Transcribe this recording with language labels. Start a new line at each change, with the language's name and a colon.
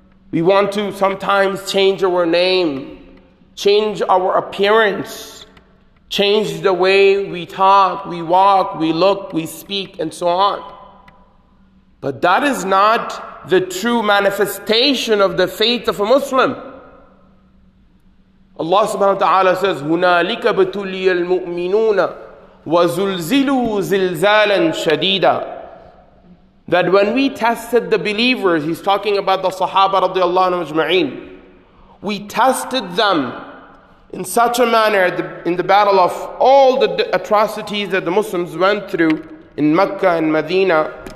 English: We want to sometimes change our name, change our appearance, change the way we talk, we walk, we look, we speak, and so on. But that is not the true manifestation of the faith of a Muslim. Allah subhanahu wa ta'ala says,
Arabic: هُنَالِكَ بَتُلِيَ الْمُؤْمِنُونَ وَزُلْزِلُوا زِلْزَالًا شَدِيدًا.
English: That when we tested the believers, he's talking about the Sahaba radiallahu anhu ajma'een, We tested them in such a manner in the battle of all the atrocities that the Muslims went through in Mecca and Medina.